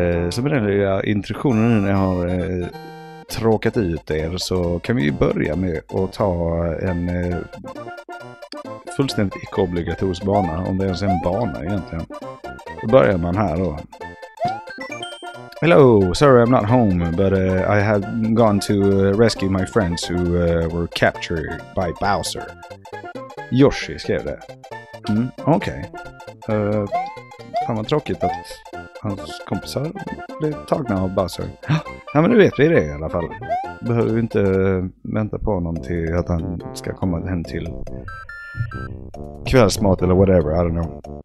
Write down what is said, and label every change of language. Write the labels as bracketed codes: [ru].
[sv] Så med den lilla introduktionen nu när jag har tråkat ut er så kan vi ju börja med att ta en fullständigt icke-obligatorisk bana, om det ens är en bana egentligen. Då börjar man här då. [en] Hello, sorry I'm not home, but I have gone to rescue my friends who were captured by Bowser. [sv] Yoshi skrev det. Okej. Fan vad tråkigt att hans kompisar blev tagna av Bowser. Ja, men nu vet vi det i alla fall. Behöver vi inte vänta på honom till att han ska komma hem till kvällsmat eller whatever, [en] I don't know.